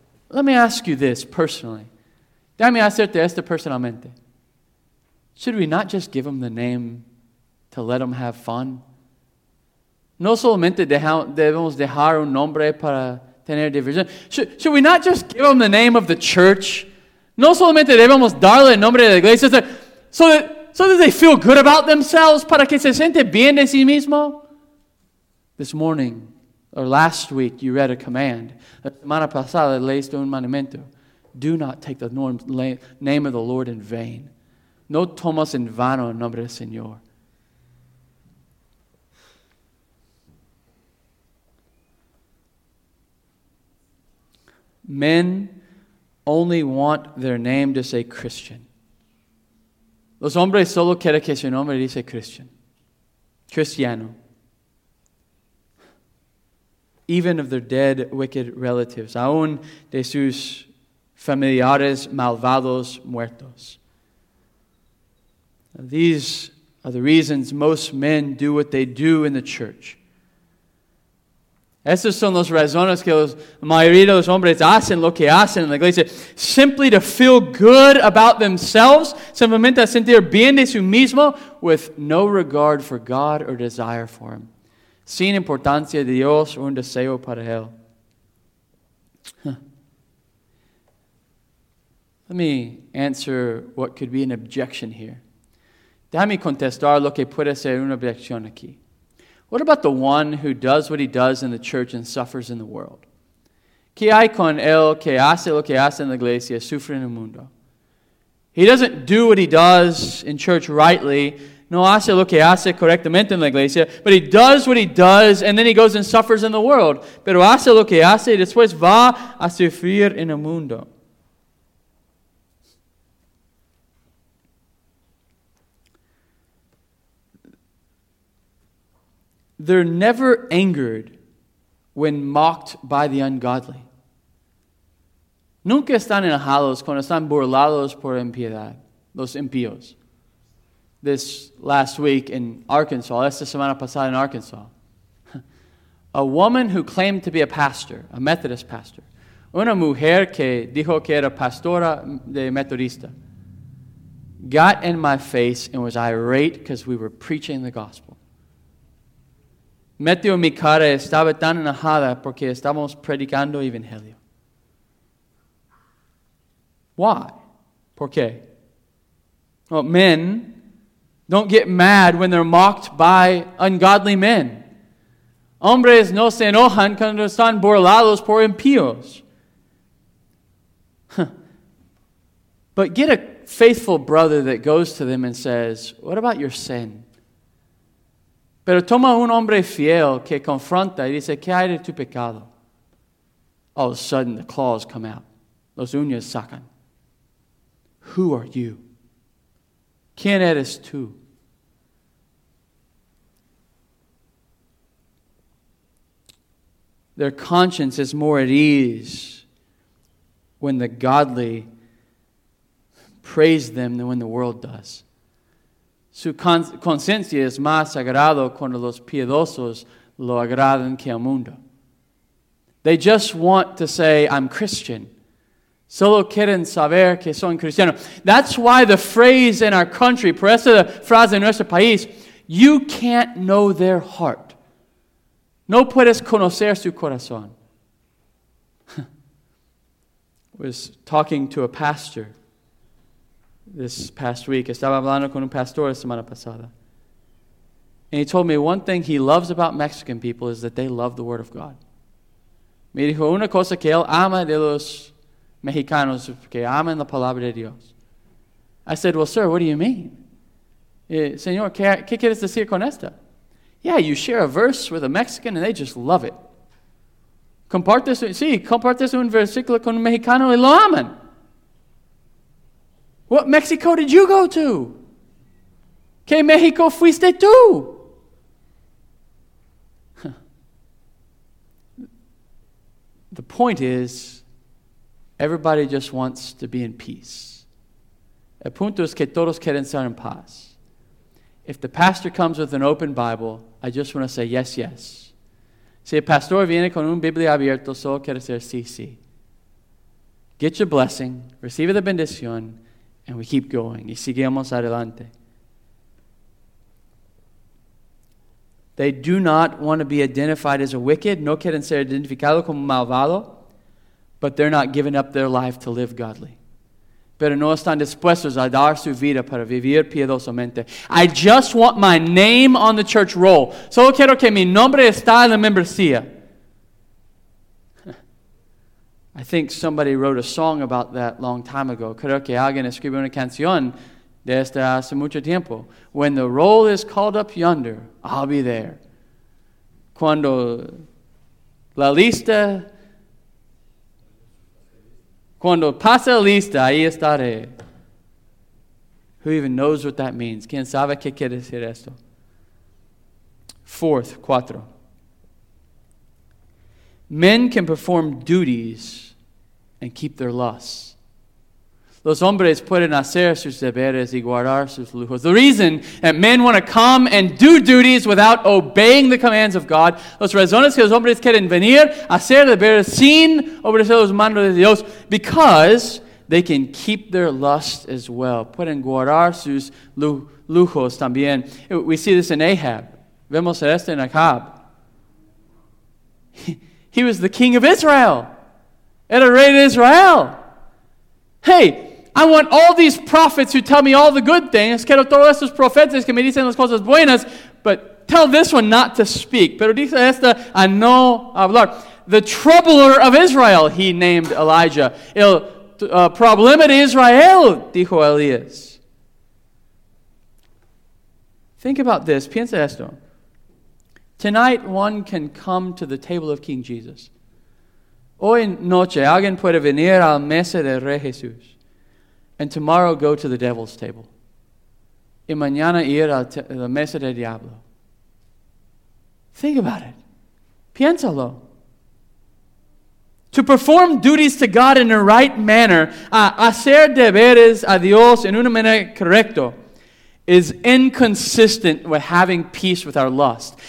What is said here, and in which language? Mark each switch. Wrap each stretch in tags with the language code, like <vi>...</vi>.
<en>Let me ask you this personally.</en> <es>Dame hacerte esto personalmente.</es> <en>Should we not just give them the name to let them have fun?</en> <es>No solamente debemos dejar un nombre para tener diversión.</es> <en>Should we not just give them the name of the church?</en> <es>No solamente debemos darle el nombre de la iglesia</es> <en>so that they feel good about themselves,</en> <es>para que se siente bien de sí mismo.</es> <en>This morning, or last week, you read a command.</en> <es>La semana pasada leíste un mandamiento.</es> <en>Do not take the name of the Lord in vain.</en> <es>No tomas en vano el nombre del Señor.</es> <en>Men only want their name to say Christian.</en> <es>Los hombres solo quieren que su nombre dice Christian. Cristiano.</es> <en>Even of their dead, wicked relatives.</en> <es>Aún de sus familiares malvados muertos.</es> <en>These are the reasons most men do what they do in the church.</en> <es>Esas son las razones que la mayoría de los hombres hacen lo que hacen en la iglesia.</es> <en>Simply to feel good about themselves.</en> <es>Simplemente a sentir bien de sí mismo</es> <en>with no regard for God or desire for Him.</en> <es>Sin importancia de Dios o un deseo para Él.</es> <en>Let me answer what could be an objection here.</en> <es>Déjame contestar lo que puede ser una objeción aquí.</es> <en>What about the one who does what he does in the church and suffers in the world?</en> <es>¿Qué hay con él que hace lo que hace en la iglesia, sufre en el mundo?</es> <en>He doesn't do what he does in church rightly,</en> <es>no hace lo que hace correctamente en la iglesia,</es> <en>but he does what he does and then he goes and suffers in the world.</en> <es>Pero hace lo que hace y después va a sufrir en el mundo.</es> <en>They're never angered when mocked by the ungodly.</en> <es>Nunca están enojados cuando están burlados por impiedad, los impíos.</es> <en>This last week in Arkansas,</en> <es>esta semana pasada</es> <en>in Arkansas, a woman who claimed to be a pastor, a Methodist pastor,</en> <es>una mujer que dijo que era pastora de Metodista,</es> <en>got in my face and was irate because we were preaching the gospel.</en> <es>Metió mi cara y estaba tan enojada porque estábamos predicando el Evangelio.</es> <en>Why?</en> <es>¿Por qué?</es> <en>Well, men don't get mad when they're mocked by ungodly men.</en> <es>Hombres no se enojan cuando están burlados por impíos.</es> <en>But get a faithful brother that goes to them and says, "What about your sin?"</en> <es>Pero toma un hombre fiel que confronta y dice, ¿qué hay de tu pecado?</es> <en>All of a sudden, the claws come out.</en> <es>Los uñas sacan.</es> <en>Who are you?</en> <es>¿Quién eres tú?</es> <en>Their conscience is more at ease when the godly praise them than when the world does.</en> <es>Su conciencia es más sagrado cuando los piedosos lo agradan que el mundo.</es> <en>They just want to say, I'm Christian.</en> <es>Solo quieren saber que son cristianos.</es> <en>That's why the phrase in our country,</en> <es>por eso la frase en nuestro país,</es> <en>you can't know their heart.</en> <es>No puedes conocer su corazón.</es> <en>I was talking to a pastor this past week.</en> <es>Estaba hablando con un pastor la semana pasada.</es> <en>And he told me one thing he loves about Mexican people is that they love the Word of God.</en> <es>Me dijo una cosa que él ama de los mexicanos, que aman la palabra de Dios.</es> <en>I said, well, sir, what do you mean?</en> <es>Señor, ¿qué quieres decir con esta?</es> <en>Yeah, you share a verse with a Mexican and they just love it.</en> <es>Compartes un versículo con un mexicano y lo aman.</es> <en>What Mexico did you go to?</en> <es>¿Qué México fuiste tú?</es> <en>The point is, everybody just wants to be in peace.</en> <es>El punto es que todos quieren estar en paz.</es> <en>If the pastor comes with an open Bible, I just want to say yes, yes.</en> <es>Si el pastor viene con un Biblia abierto, solo quiere decir sí, sí.</es> <en>Get your blessing,</en> <es>recibe la bendición,</es> <en>and we keep going.</en> <es>Y seguimos adelante.</es> <en>They do not want to be identified as a wicked.</en> <es>No quieren ser identificado como malvado.</es> <en>But they're not giving up their life to live godly.</en> <es>Pero no están dispuestos a dar su vida para vivir piedosamente.</es> <en>I just want my name on the church roll.</en> <es>Solo quiero que mi nombre está en la membresía.</es> <en>I think somebody wrote a song about that long time ago.</en> <es>Creo que alguien escribió una canción de esta hace mucho tiempo.</es> <en>When the roll is called up yonder, I'll be there.</en> <es>Cuando la lista... Cuando pase lista, ahí estaré.</es> <en>Who even knows what that means?</en> <es>¿Quién sabe qué quiere decir esto?</es> <en>Fourth,</en> <es>cuatro.</es> <en>Men can perform duties and keep their lusts.</en> <es>Los hombres pueden hacer sus deberes y guardar sus lujos.</es> <en>The reason that men want to come and do duties without obeying the commands of God,</en> <es>los razones que los hombres quieren venir a hacer deberes sin obedecer los mandos de Dios,</es> <en>because they can keep their lust as well.</en> <es>Pueden guardar sus lujos también.</es> <en>We see this in Ahab.</en> <es>Vemos esto en Ahab.</es> <en>He was the king of Israel.</en> <es>Era rey de Israel.</es> <en>Hey, I want all these prophets who tell me all the good things.</en> <es>Quiero todos estos profetas que me dicen las cosas buenas,</es> <en>but tell this one not to speak.</en> <es>Pero dice esta a no hablar.</es> <en>The troubler of Israel, he named Elijah.</en> <es>El problema de Israel, dijo Elías.</es> <en>Think about this.</en> <es>Piensa esto.</es> <en>Tonight, one can come to the table of King Jesus.</en> <es>Hoy noche, alguien puede venir a la mesa del Rey Jesús.</es> <en>And tomorrow go to the devil's table.</en> <es>Y mañana ir a la mesa del diablo.</es> <en>Think about it.</en> <es>Piénsalo.</es> <en>To perform duties to God in the right manner,</en> <es>a hacer deberes a Dios en una manera correcta,</es> <en>is inconsistent with having peace with our lust.</en>